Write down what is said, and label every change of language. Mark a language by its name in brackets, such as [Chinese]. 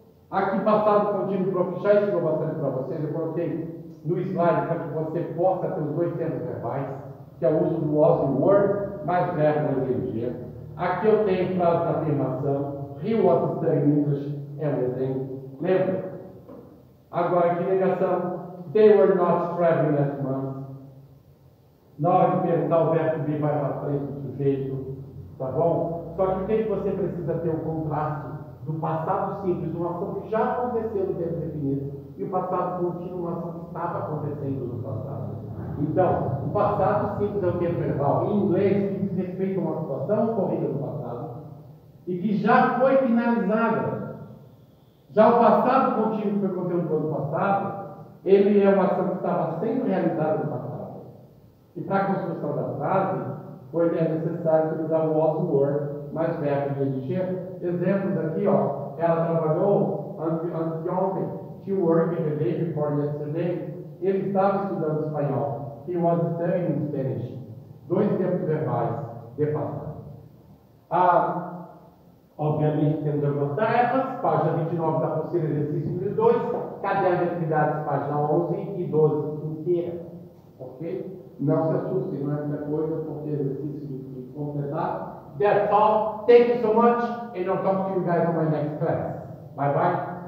[Portuguese] Aqui passado contínuo prof, já ensinou bastante para vocês, eu coloquei no slide para que você possa ter os dois termos verbais, que é o uso do was e were, mais verbo na energia. Aqui eu tenho frase de afirmação, [English] he was studying English, [Portuguese] é um exemplo, lembra? Agora aqui negação, [English] they were not traveling last month. [Portuguese] Na hora de perguntar o verbo vir vai para frente do sujeito, tá bom? Só que o que você precisa ter um contraste? Do passado simples, uma ação que já aconteceu no tempo definido, e o passado contínuo, uma ação que estava acontecendo no passado. Então, o passado simples é o tempo verbal, em inglês, que diz respeito a uma situação ocorrida no passado e que já foi finalizada. Já o passado contínuo, que foi conteúdo do passado, ele é uma ação que estava sendo realizada no passado. E para a construção da frase, foi necessário utilizar o was were mais verbo de energia. Exemplos aqui, ó. Ela trabalhou antes de ontem. [English] She worked the day before yesterday. [Portuguese] Ele estava estudando espanhol. [English] He was studying Spanish. [Portuguese] Dois tempos verbais de passado. Obviamente, temos algumas tarefas. Página 29 da apostila, exercício número 2. Caderno de atividades, página 11 e 12 inteira. Ok? Não se assustem, não é muita coisa, porque exercício de completar. [English] That's all. Thank you so much, and I'll talk to you guys on my next class. Bye bye.